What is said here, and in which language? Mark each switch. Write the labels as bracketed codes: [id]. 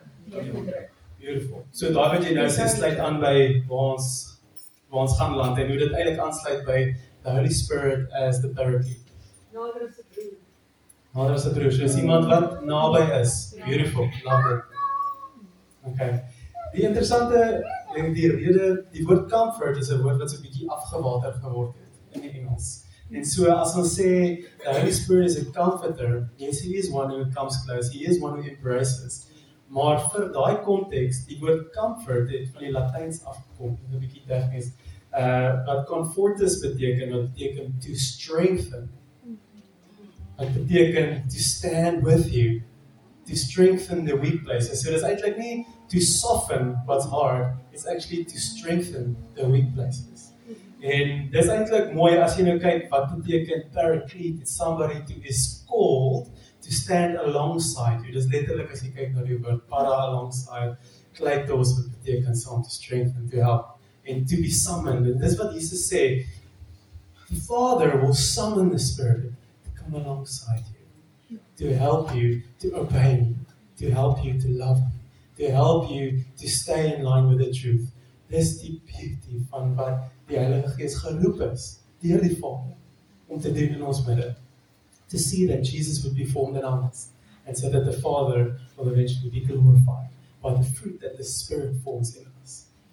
[af] druk. Beautiful. So daai wat jy nou sê sluit aan by waar ons gaan land en hoe dit eintlik aansluit by [en] the Holy Spirit as the therapy. [af] Nader as 'n broer, so iemand wat naby is. [en] Beautiful. Love it. Okay. [af] Die interessante en die rede, die woord comfort is 'n woord wat so 'n bietjie afgewater geword het in die Engels. En so as ons sê [en] the Holy Spirit is a comforter, yes, he is one who comes close, he is one who embraces. [af] Maar vir daai konteks, die woord comfort het van die Latyns afgekom, 'n bietjie tegnies. Wat confortus beteken, wat beteken [en] to strengthen. [af] Wat beteken [en] to stand with you, to strengthen the weak places. [af] So dis eintlik nie [en] to soften what's hard, it's actually to strengthen the weak places. [af] En dis eintlik mooi as jy nou kyk wat beteken paraclete, [en] it's somebody to is called to stand alongside you. [af] Dis letterlik as jy kyk na die woord para alongside, kletos wat beteken saam te strengthen, [en] to help and to be summoned. [af] En dis wat Jesus sê, [en] the Father will summon the Spirit to come alongside you, to help you to obey me, to help you to love me, to help you to stay in line with the truth. [af] Dis die beauty van wat die Heilige Gees geroep is deur die Vader om te doen in ons midde. [en] To see that Jesus would be formed in us, and so that the Father will eventually be glorified by the fruit that the Spirit forms in us.